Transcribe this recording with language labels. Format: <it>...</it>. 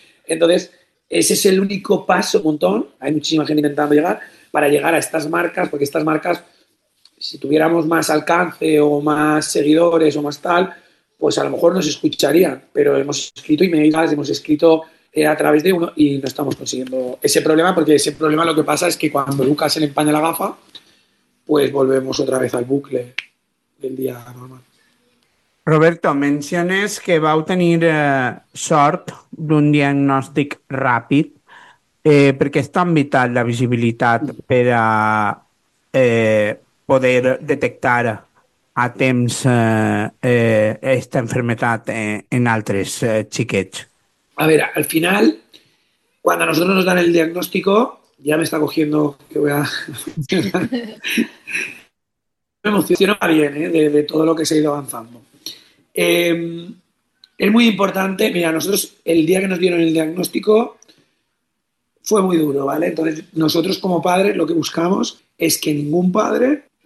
<es>Entonces, ese es el único paso, un montón, hay muchísima gente intentando llegar, para llegar a estas marcas, porque estas marcas, si tuviéramos más alcance o más seguidores o más tal, pues a lo mejor nos escucharían, pero hemos escrito emails, hemos escrito a través de uno y no estamos consiguiendo ese problema, porque ese problema lo que pasa es que cuando Lucas se le empaña la gafa, pues volvemos otra vez al bucle del día normal.</es> <ca>Roberto, menciones que vau tenir sort d'un diagnòstic ràpid. Per què és tan vital la visibilitat per a poder detectar a temps aquesta enfermedad en altres xiquets? A veure, al final, quan a nosaltres ens dan el diagnòstic, ja m'està</ca> <es>cogiendo que voy a... Me emociona bien, de todo lo que se ha ido avanzando. Es muy importante, mira, nosotros el día que nos dieron el diagnóstico fue muy duro, ¿vale? Entonces nosotros como padres lo que buscamos es que ningún padre</es>